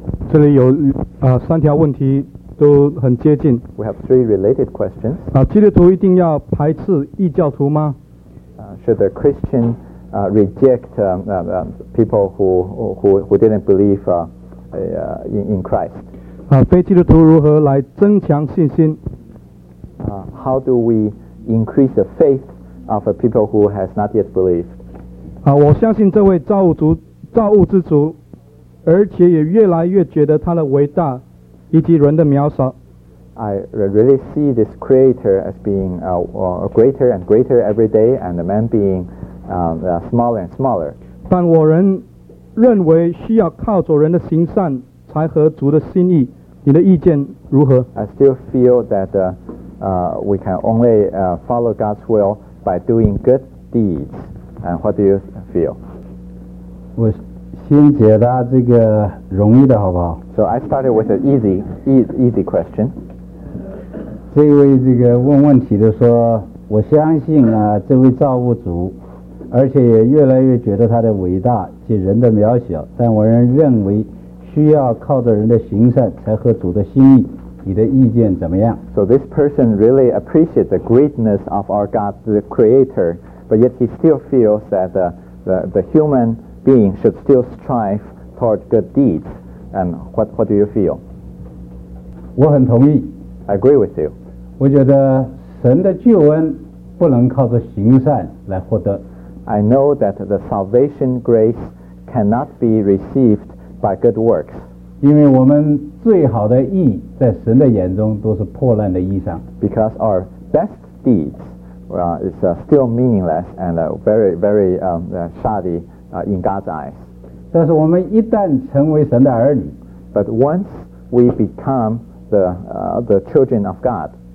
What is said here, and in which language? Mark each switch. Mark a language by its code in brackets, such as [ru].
[zh] 这里有三条问题都很接近。 [en] We have three related questions. [zh] 基督徒一定要排斥异教徒吗？ [en] Should a Christian reject people who didn't believe in Christ? [zh] 非基督徒如何来增强信心？ [en] How do we increase the faith of a people who has not yet believed? [zh] 我相信这位造物之主，而且也越来越觉得他的伟大以及人的渺小。 [en] I really see this creator as being greater and greater every day, and the man being smaller and smaller. [zh] 但我仍认为需要靠着人的行善才合主的心意。你的意见如何？ [en] I still feel that we can only follow God's will by doing good deeds. And what do you feel? [zh] 我先解答这个容易的好不好？ [en] So I started with an easy question. [zh] 这位这个问问题的说，我相信这位造物主，而且也越来越觉得他的伟大及人的渺小，但我仍认为需要靠着人的行善才合主的心意，你的意见怎么样？ [en] So this person really appreciates the greatness of our God, the Creator, but yet he still feels that the human being should still strive toward good deeds. And what do you feel? [zh] 我很同意。 [en] I agree with you. [zh] 我觉得神的救恩不能靠着行善来获得。 [en] I know that the salvation grace cannot be received. By good works. [zh] 因为我们最好的义在神的眼中都是破烂的衣裳。 [en] Because our best deeds is still meaningless and very, very shoddy in God's eyes. [zh] 但是我们一旦成为神的儿女， [en] But once we become the children of God,